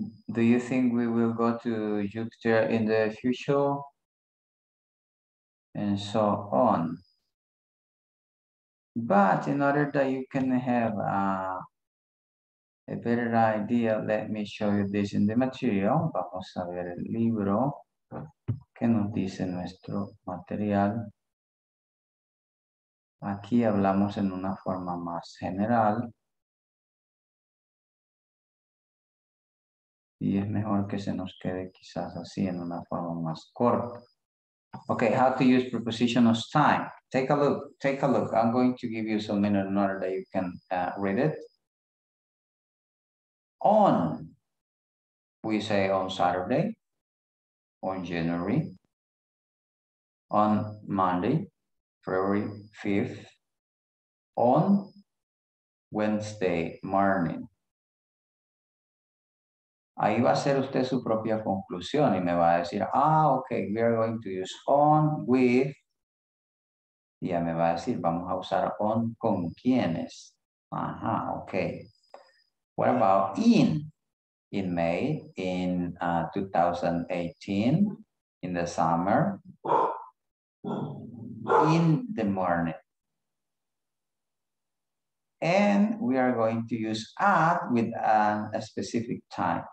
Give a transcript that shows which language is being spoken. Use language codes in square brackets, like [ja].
[en] Do you think we will go to Jupiter in the future? And so on. But in order that you can have a better idea, let me show you this in the material. [es] Vamos a ver el libro que nos dice nuestro material. Aquí hablamos en una forma más general. Y es mejor que se nos quede quizás así en una forma más corta. [en] Okay, how to use preposition of time. Take a look, take a look. I'm going to give you some minute in order that you can read it. On, we say on Saturday, on January, on Monday, February 5th, on Wednesday morning. [es] Ahí va a hacer usted su propia conclusión y me va a decir, ah, [en] okay, we are going to use on with, [es] y ya me va a decir, vamos a usar on con quiénes. [en] Ajá, okay. What about in? In May, in 2018, in the summer, in the morning. And we are going to use at with a specific time.